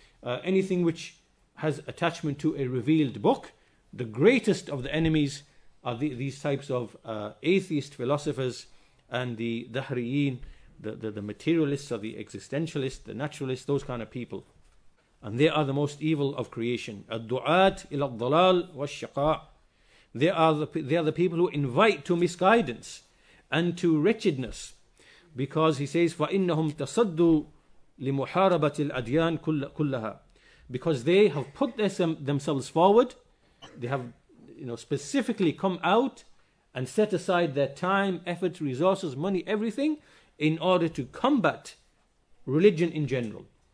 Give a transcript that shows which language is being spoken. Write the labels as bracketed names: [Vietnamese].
[English] Anything which has attachment to a revealed book, the greatest of the enemies are these types of atheist philosophers and the Dahriyin, the materialists or the existentialists, the naturalists, those kind of people. And they are the most evil of creation. [Arabic] الدعاة إلى الضلال والشقاء. [English] They are the people who invite to misguidance and to wretchedness. Because he says, [Arabic] فَإِنَّهُمْ تَصَدُّوا لِمُحَارَبَةِ الْأَدْيَانِ كُلَّهَا. [English] Because they have put themselves forward. They have, you know, specifically come out and set aside their time, effort, resources, money, everything in order to combat religion in general.